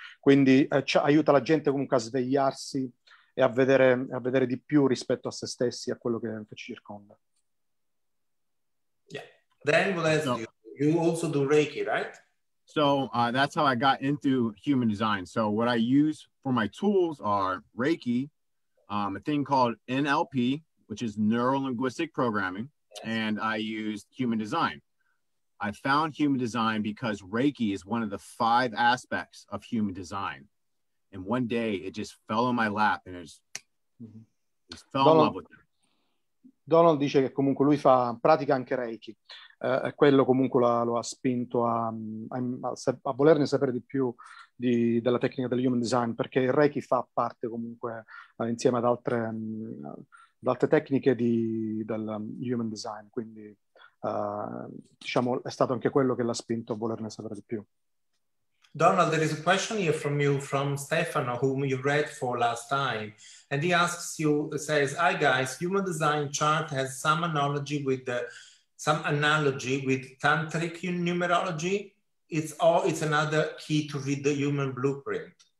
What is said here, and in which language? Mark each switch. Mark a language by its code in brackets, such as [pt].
[it] Quindi aiuta la gente comunque a svegliarsi e a vedere di più rispetto a se stessi, a quello che ci circonda. [en] Yeah. Then what else do you also do Reiki, right? So that's how I got into human design. So what I use for my tools are Reiki, a thing called NLP, which is neuro-linguistic programming, and I used human design. I found human design because Reiki is one of the five aspects of human design. And one day it just fell in my lap and just fell Donald, in love with it. [it] Donald dice che comunque lui fa pratica anche Reiki. Quello comunque lo ha spinto a volerne sapere di più della tecnica del human design, perché il Reiki fa parte comunque insieme ad altre d'altre tecniche del human design, quindi diciamo è stato anche quello che l'ha spinto a volerne sapere di più. [en] Donald, there is a question here from you, from Stefano, whom you read for last time, and he asks you, says, "Hi guys, human design chart has some analogy with tantric numerology. It's another key to read the human blueprint."